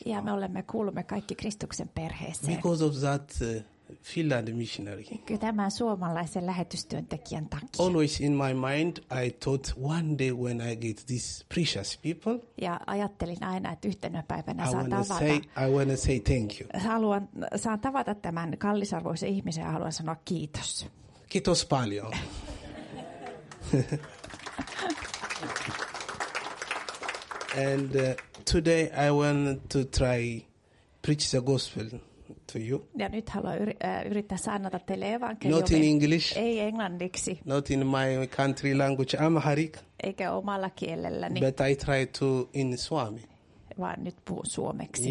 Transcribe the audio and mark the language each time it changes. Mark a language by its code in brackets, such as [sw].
[fi] Ja me olemme kuulumme kaikki Kristuksen perheeseen. [en] Because of that Finland missionary. [fi] Kyllä tämän suomalaisen lähetystyöntekijän takia. [en] Always in my mind, I thought one day when I get these precious people. [fi] Ja ajattelin aina, että yhtenä päivänä saan tavata. [en] I want to say thank you. [fi] Saan tavata tämän kallisarvoisen ihmisen ja haluan sanoa kiitos. Kiitos paljon. [en] And today I want to try preach the gospel. To you. [fi] Ja nyt haluan yrittää sanota teille evankeliumi. [en] Not in English. [fi] Ei englanniksi. [en] Not in my country language. Amharic. [fi] Eikä omalla kielelläni. [en] But I try to in Suomi. [fi] Vaan nyt puhun suomeksi.